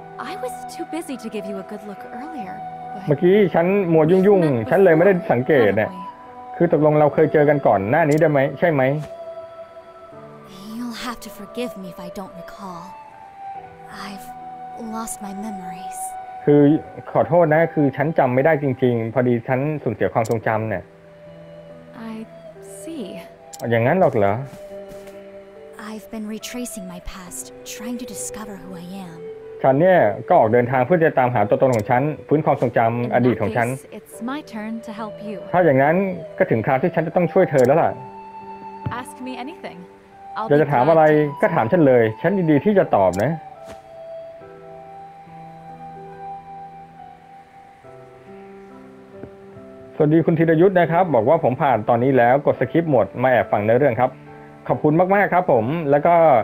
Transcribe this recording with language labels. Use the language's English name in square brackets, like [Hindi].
[English] I was too busy to give you a good look earlier [Thai] เมื่อกี้ฉันมัวยุ่งๆฉันเลยไม่ได้สังเกตเนี่ยคือตกลงเราเคยเจอกันก่อนหน้านี้ได้ไหมใช่ไหม [English] You'll have to forgive me if I don't recall I've lost my memories [Thai] คือขอโทษนะคือฉันจำไม่ได้จริงๆพอดีฉันสูญเสียความทรงจำเนี่ย [English] I see [Thai] อย่างนั้นหรอกเหร [English] อ I've been retracing my past trying to discover who I am [Thai] ฉันเนี่ยก็ออกเดินทางเพื่อจะตามหาตัวตนของฉันฟื้นความทรงจำอดีตของฉัน [English] It's my turn to help you [Thai] ถ้าอย่างนั้นก็ถึงคราวที่ฉันจะต้องช่วยเธอแล้วล่ะ [English] Ask me anything [Thai] อยากจะถามอะไรก็ถามฉันเลยฉันยินดีที่จะตอบนะสวัสดีคุณธีรยุทธ์นะครับบอกว่าผมผ่านตอนนี้แล้วกดสคริปต์หมดมาแอบฟังในเรื่องครับขอบคุณมากมากครับผมแล้วก็